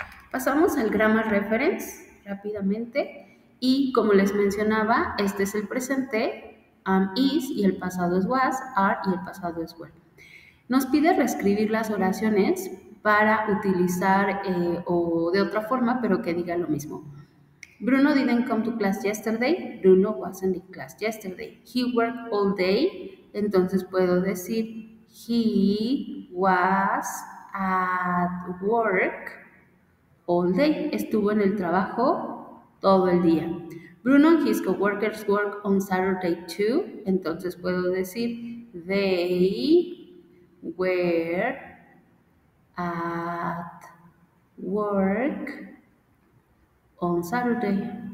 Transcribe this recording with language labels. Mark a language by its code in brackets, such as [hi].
[es] Pasamos al Grammar Reference rápidamente. Y como les mencionaba, este es el presente, am, is, y el pasado es was, are, y el pasado es were. Nos pide reescribir las oraciones para utilizar, o de otra forma, pero que diga lo mismo. [en] Bruno didn't come to class yesterday. Bruno wasn't in class yesterday. He worked all day. [es] Entonces puedo decir, [en] he was at work all day. [es] Estuvo en el trabajo todo el día. [en] Bruno and his coworkers work on Saturday too. [es] Entonces puedo decir, [en] they were at work on Saturday.